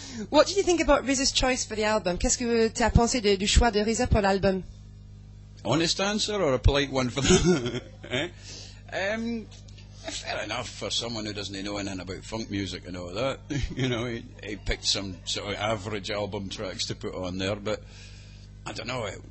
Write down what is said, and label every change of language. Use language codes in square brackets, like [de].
[en] What do you think about RZA's choice for the album? [fr] Qu'est-ce que tu as pensé du choix de RZA pour l'album? [en] Honest answer or a polite one for the fair enough for someone who doesn't know anything about funk music and all that. You know, he picked some sort of average album tracks to put on there, but I don't know.